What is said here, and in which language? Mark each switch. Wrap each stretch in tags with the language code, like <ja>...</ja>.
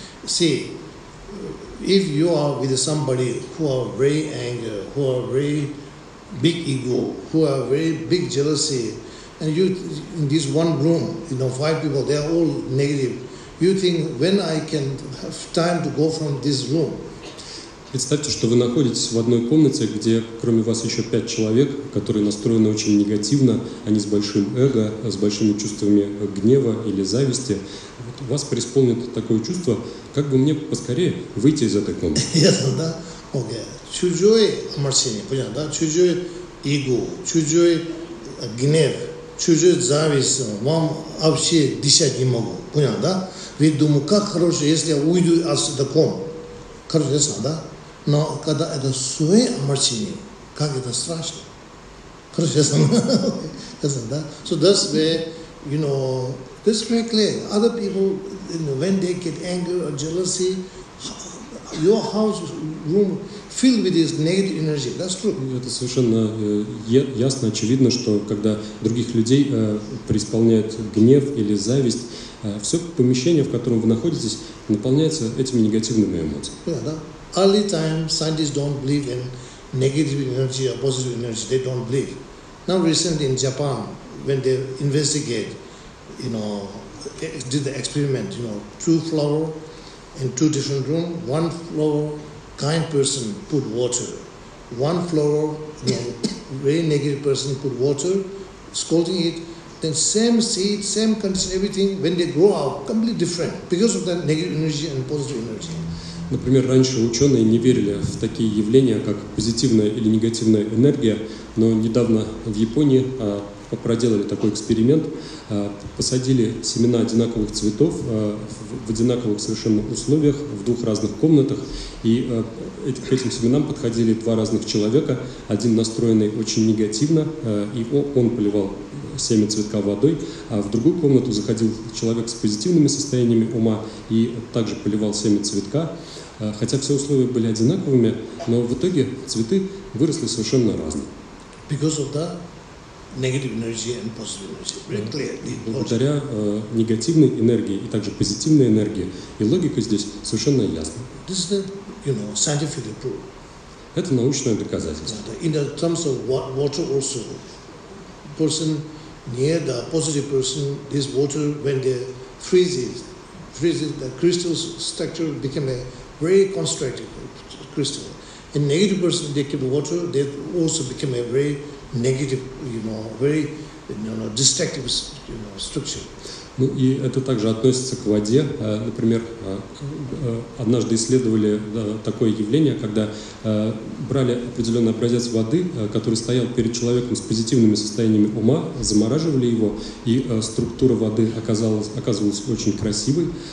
<en>See, if you are with somebody who are very angry, who are very big ego, who are very big jealousy, and you, in this one room, you know, five people, they are all negative. You think, when I can have time to go from this room?</en> <ru>Представьте, что вы находитесь в одной комнате, где кроме вас еще пять человек, которые настроены очень негативно, они с большим эго, с большими чувствами гнева или зависти. Вот вас преисполнит такое чувство, как бы мне поскорее выйти из этой комнаты. Ясно, да? Окей. Чужой омрачение, понятно, да? Чужой эго, чужой гнев. Чужой зависть, вам вообще дышать не могу, понял, да? Ведь думаю, как хорошо, если я уйду отсюда ком. Короче, ясно, да? Но когда это свое омрачение, как это страшно.</ru> <en>So this way, you know, this is very clear. Other people, you know, when they get anger or jealousy, your house room filled with this negative energy. That's true.</en> <ru>Это совершенно ясно, очевидно, что когда других людей преисполняет гнев или зависть, все помещение, в котором вы находитесь, наполняется этими негативными эмоциями.</ru> <en>Yeah, that. Early time scientists don't believe in negative energy or positive energy. They don't believe. Now recently in Japan, when they investigate, you know, did the experiment, you know, two flower in two different rooms. One flower, kind person put water. One flower, you know, very negative person put water, scalding it. Then same seed, same condition, everything, when they grow up, completely different because of that negative energy and positive energy.</en> <ru>Например, раньше ученые не верили в такие явления, как позитивная или негативная энергия, но недавно в Японии проделали такой эксперимент, посадили семена одинаковых цветов в одинаковых совершенно условиях, в двух разных комнатах, и к этим семенам подходили два разных человека, один настроенный очень негативно, и он поливал семя цветка водой, а в другую комнату заходил человек с позитивными состояниями ума и также поливал семя цветка. Хотя все условия были одинаковыми, но в итоге цветы выросли совершенно разные.</ru> <en>Because of that negative energy and positive energy. Very clear.</en> <ru>Благодаря негативной энергии и также позитивной энергии. И логика здесь совершенно ясна.</ru> <en>This is the, you know, scientific proof.</en> <ru>Это научное доказательство.</ru> <en>In the terms of water also, person near the positive person, this water when they freezes, the crystal structure became a very constructive crystal. In negative person, they keep water, they also become a very negative, you know, very, you know, destructive, you know, structure.</en> <ru>Ну и это также относится к воде. Например, однажды исследовали такое явление, когда брали определенный образец воды, который стоял перед человеком с позитивными состояниями ума, замораживали его, и структура воды оказывалась очень красивой.</ru>